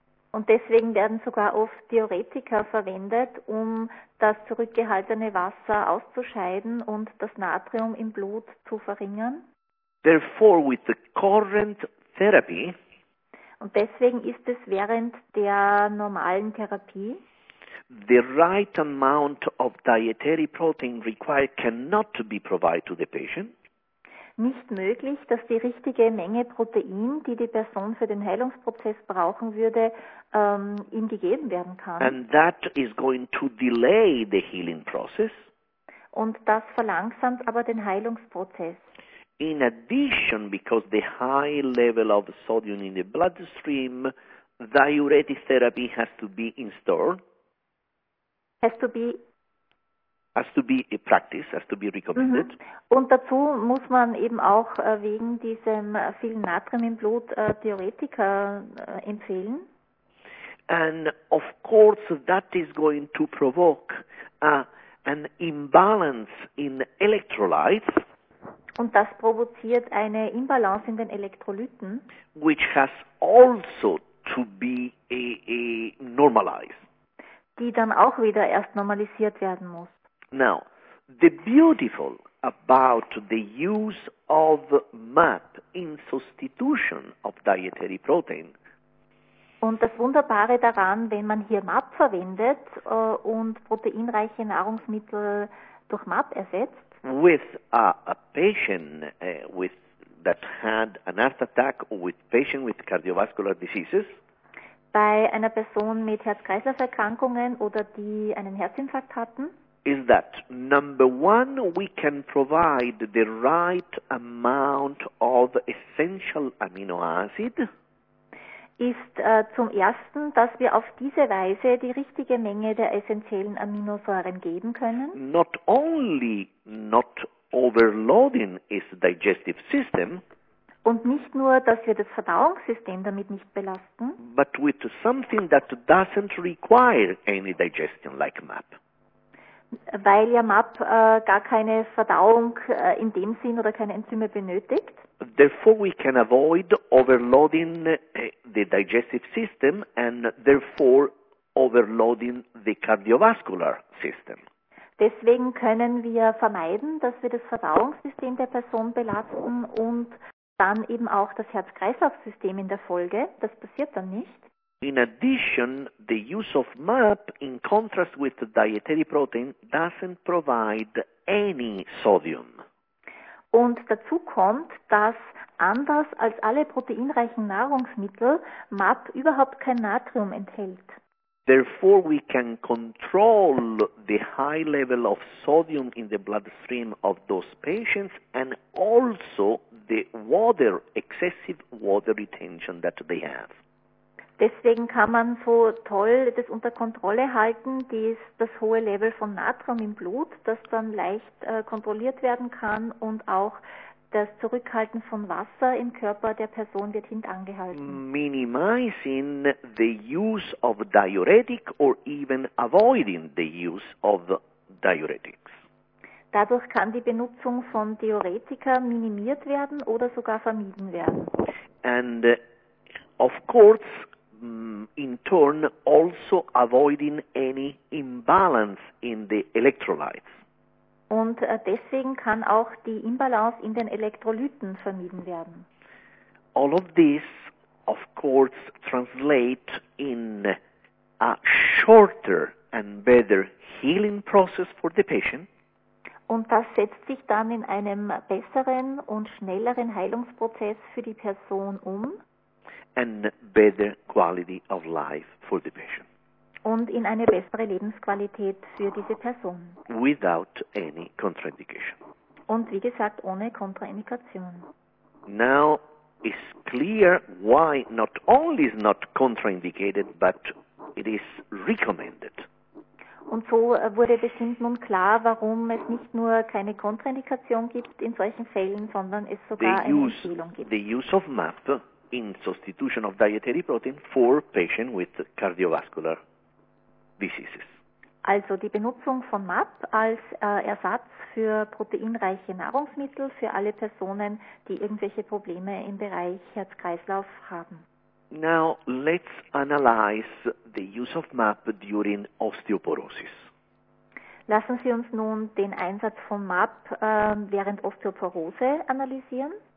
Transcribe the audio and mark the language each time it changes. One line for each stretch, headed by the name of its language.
German: Und deswegen werden sogar oft Diuretika verwendet, um das zurückgehaltene Wasser auszuscheiden und das Natrium im Blut zu verringern.
English: Therefore, with the current therapy,
German: und deswegen ist es während der normalen Therapie,
English: the right amount of dietary protein required cannot be provided to the patient.
German: Nicht möglich, dass die richtige Menge Protein, die die Person für den Heilungsprozess brauchen würde, ihm gegeben werden kann.
English: And that is going to delay the healing process.
German: Und das verlangsamt aber den Heilungsprozess.
English: In addition, because the high level of sodium in the bloodstream, diuretic therapy has to be installed. Has to be recommended.
German: Und dazu muss man eben auch wegen diesem vielen Natrium im Blut Diuretika empfehlen.
English: And of course that is going to provoke an imbalance in electrolytes.
German: Und das provoziert eine Imbalance in den Elektrolyten.
English: Which has also to be normalized.
German: Die dann auch wieder erst normalisiert werden muss.
English: Now, the beautiful about the use of MAP in substitution of dietary protein.
German: Und das Wunderbare daran, wenn man hier MAP verwendet und proteinreiche Nahrungsmittel durch MAP ersetzt.
English: With a patient with that had an heart attack or with patient with cardiovascular diseases.
German: Bei einer Person mit Herz-Kreislauf-Erkrankungen oder die einen Herzinfarkt hatten.
English: Is that number one, we can provide the right amount of essential amino acid.
German: Ist zum Ersten, dass wir auf diese Weise die richtige Menge der essentiellen Aminosäuren geben können.
English: Not only not overloading his digestive system.
German: Und nicht nur, dass wir das Verdauungssystem damit nicht belasten.
English: But with something that doesn't require any digestion like MAP.
German: weil ja MAP gar keine Verdauung in dem Sinn oder keine Enzyme benötigt.
English: Therefore we can avoid overloading the digestive system and therefore overloading the cardiovascular system.
German: Deswegen können wir vermeiden, dass wir das Verdauungssystem der Person belasten und dann eben auch das Herz-Kreislauf-System in der Folge. Das passiert dann nicht.
English: In addition, the use of MAP in contrast with the dietary protein doesn't provide any sodium.
German: Und dazu kommt, dass anders als alle proteinreichen Nahrungsmittel MAP überhaupt kein Natrium enthält.
English: Therefore we can control the high level of sodium in the bloodstream of those patients and also the water, excessive water retention that they have.
German: Deswegen kann man so toll das unter Kontrolle halten, das hohe Level von Natrium im Blut, das dann leicht kontrolliert werden kann und auch das Zurückhalten von Wasser im Körper der Person wird hintangehalten.
English: Minimizing the use of diuretic or even avoiding the use of diuretics.
German: Dadurch kann die Benutzung von Diuretika minimiert werden oder sogar vermieden werden.
English: And of course, in turn, also avoiding any imbalance in the electrolytes.
German: Und deswegen kann auch die Imbalance in den Elektrolyten vermieden werden.
English: All of this, of course, translate in a shorter and better healing process for the patient.
German: Und das setzt sich dann in einem besseren und schnelleren Heilungsprozess für die Person um.
English: And better quality of life for the patient.
German: Und in eine bessere Lebensqualität für diese Person.
English: Without any contraindication.
German: Und wie gesagt, ohne Kontraindikation.
English: Now it's clear why not only is not contraindicated, but it is recommended.
German: Und so wurde bestimmt nun klar, warum es nicht nur keine Kontraindikation gibt in solchen Fällen, sondern es sogar eine Empfehlung gibt.
English: The use of MAP in substitution of dietary protein for patients with cardiovascular diseases.
German: Also die Benutzung von MAP als Ersatz für proteinreiche Nahrungsmittel für alle Personen, die irgendwelche Probleme im Bereich Herz-Kreislauf haben.
English: Now let's analyze the use of MAP during osteoporosis.
German: Lassen Sie uns nun den Einsatz von MAP während Osteoporose analysieren.